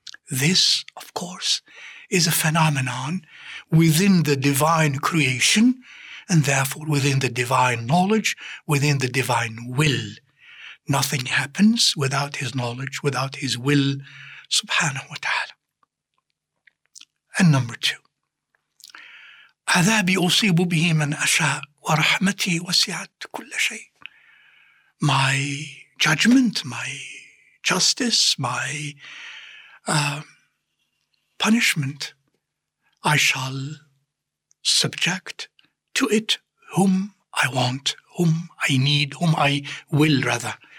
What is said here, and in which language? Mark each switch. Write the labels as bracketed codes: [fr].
[en] This, of course, is a phenomenon within the divine creation, and therefore within the divine knowledge, within the divine will. Nothing happens without his knowledge, without his will, subhanahu wa ta'ala. And number two, [ar] عَذَابِي أُصِيبُ بِهِ مَنْ أَشَاءُ وَرَحْمَتِي وَسِعَتْ كُلَّ شَيْءٍ. [en] My judgment, my justice, my punishment, I shall subject to it whom I want, whom I need, whom I will rather.